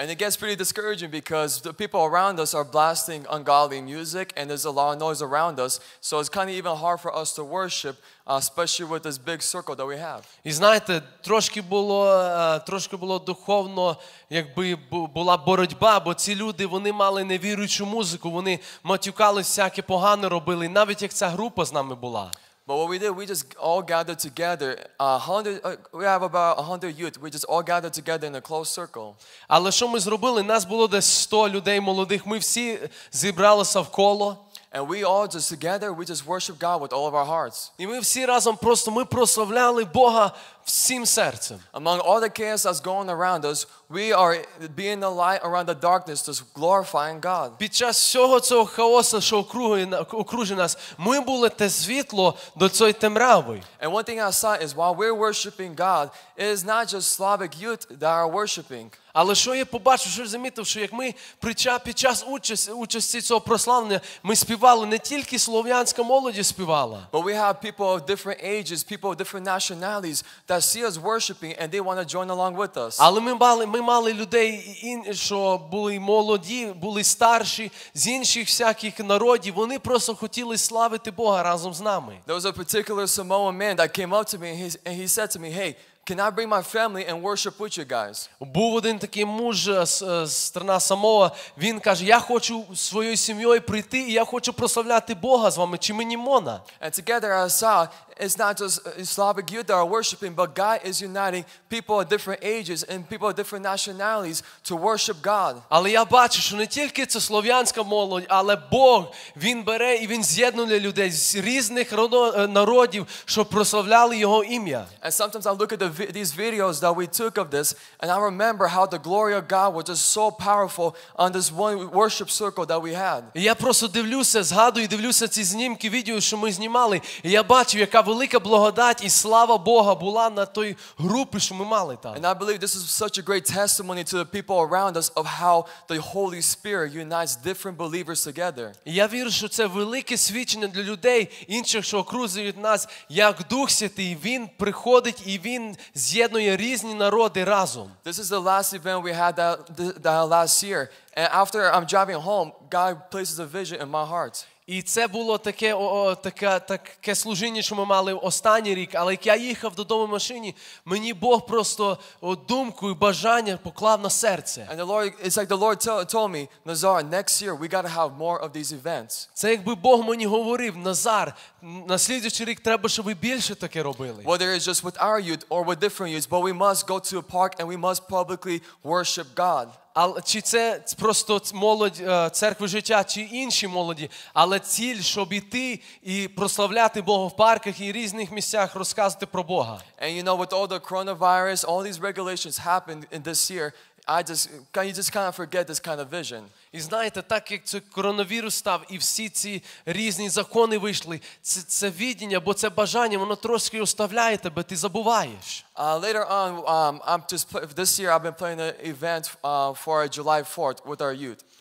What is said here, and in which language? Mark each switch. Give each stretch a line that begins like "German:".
English: And it gets pretty discouraging because the people around us are blasting ungodly music and there's a lot of noise around us, so it's kind of even hard for us to worship, especially with this big circle that we have.
Ukrainian: І знаєте, трошки було духовно, якби була боротьба, бо ці люди, вони мали невіруючу музику, вони матюкали всяке погане робили, навіть як ця група з нами була.
English: But what we did, we just all gathered together. We have about 100 youth. We just all gathered together in a close circle.
Ukrainian: Але що ми зробили? Нас було десь 100 людей молодих. Ми всі зібралися в коло.
English: And we all just together, we just worship God with all of our hearts.
Ukrainian: І ми всі разом просто ми прославляли Бога всім серцем.
English: Among all the chaos that's going around us, we are being the light around the darkness, just glorifying God.
Ukrainian: Під час всього цього хаосу, що окружує нас, ми були те світло до цієї темряви.
English: And one thing I saw is while we're worshiping God, it is not just Slavic youth that are worshiping.
Ukrainian: Але що я побачив, що замітив, що як ми під час участі цього прославлення, ми співали, не тільки слов'янська молодь співала.
English: But we have people of different ages, people of different nationalities that see us worshiping and they want to join along with us.
Ukrainian: Але ми мали людей, що були молоді, були старші, з інших всяких народів, вони просто хотіли славити Бога разом з нами.
English: There was a particular Samoan man that came up to me and he said to me, hey, can I bring my family and worship with you guys?
Ukrainian: Був один такий муж з страна Самоа, він каже, я хочу зі своєю сім'єю прийти, і я хочу прославляти Бога з вами, чи мені можна?
English: And together I saw, it's not just Slavic youth that are worshiping, but God is uniting people of different ages and people of different nationalities to worship God.
Ukrainian: Але я бачу, що не тільки це слов'янська молодь, але Бог, він бере і він з'єднує людей з різних народів, щоб прославляли його ім'я.
English: And sometimes I look at these videos that we took of this, and I remember how the glory of God was just so powerful on this one worship circle that we had.
Ukrainian: Я просто дивлюся, згадую, дивлюся ці знімки, відео, що ми знімали, і я бачу, яка велика благодать і слава Бога була на той групі, що ми мали там.
English: And I believe this is such a great testimony to the people around us of how the Holy Spirit unites different believers together.
Ukrainian: Я вірю, що це велике свідчення для людей, інших, що окружують нас, як Дух Святий, він приходить і він з'єднує різні народи разом.
English: This is the last event we had that last year. And after I'm driving home, God places a vision in my heart.
Ukrainian: І це було таке, таке служіння, що ми мали останній рік, але як я їхав додому в машині, мені Бог просто думку і бажання поклав на серце.
English: And the Lord, it's like the Lord told me, Nazar, next year we got to have more of these events.
Ukrainian: Це якби Бог мені говорив, Назар, на слідуючий рік треба, щоб ви більше таке робили.
English: Whether it's just with our youth or with different youth, but we must go to a park and we must publicly worship God.
Ukrainian: Але чи це просто молодь церкви життя, чи інші молоді, але ціль, щоб іти і прославляти Бога в парках і різних місцях, розказувати про Бога.
English: And you know, with all the coronavirus, all these regulations happened in this year, can you just kind of forget this kind of vision?
Ukrainian: І знаєте, так як це коронавірус став, і всі ці різні закони вийшли, це видіння, бо це бажання, воно трошки оставляє тебе, ти забуваєш.
English: Later on, this year I've been playing an event for July 4th with our youth.